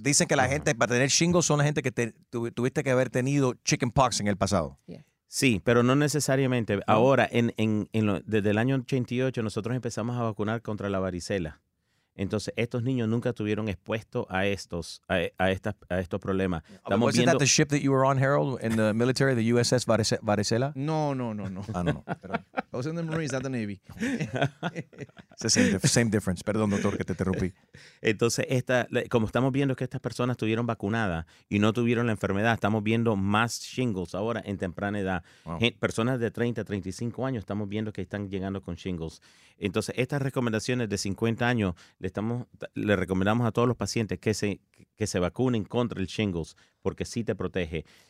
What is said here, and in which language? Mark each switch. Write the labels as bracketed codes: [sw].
[es] Dicen que la gente, para tener shingles, son la gente que tuviste que haber tenido chicken pox en el pasado. Yeah. Sí, pero no necesariamente. Oh. Ahora, desde el año 88, nosotros empezamos a vacunar contra la varicela. Entonces, estos niños nunca estuvieron expuestos a estos problemas. Estamos viendo... [en] ¿Wasn't that the ship that you were on, Harold, in the military, the USS Varicela? No. [es] Ah, no. Perdón. [en] I was in the Marines, not the Navy. It's the same difference. [es] Perdón, doctor, que te interrumpí. Entonces, como estamos viendo que estas personas estuvieron vacunadas y no tuvieron la enfermedad, estamos viendo más shingles ahora en temprana edad. Wow. Personas de 30, 35 años, estamos viendo que están llegando con shingles. Entonces, estas recomendaciones de 50 años... Le recomendamos a todos los pacientes que se vacunen contra el shingles porque sí te protege.